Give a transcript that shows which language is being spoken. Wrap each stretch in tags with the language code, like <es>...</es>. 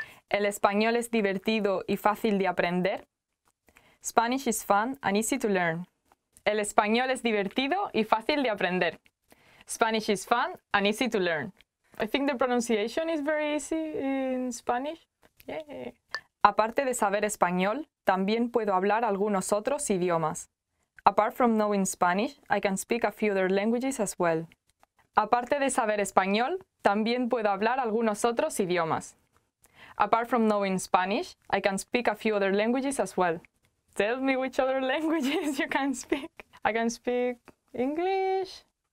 <es>El español es divertido y fácil de aprender.</es> <en>Spanish is fun and easy to learn.</en> <es>El español es divertido y fácil de aprender.</es> <en>Spanish is fun and easy to learn. I think the pronunciation is very easy in Spanish. Yeah.</en> <es>Aparte de saber español, también puedo hablar algunos otros idiomas.</es> <en>Apart from knowing Spanish, I can speak a few other languages as well.</en> <es>Aparte de saber español, también puedo hablar algunos otros idiomas.</es> <en>Apart from knowing Spanish, I can speak a few other languages as well. Tell me which other languages you can speak. I can speak English.</en>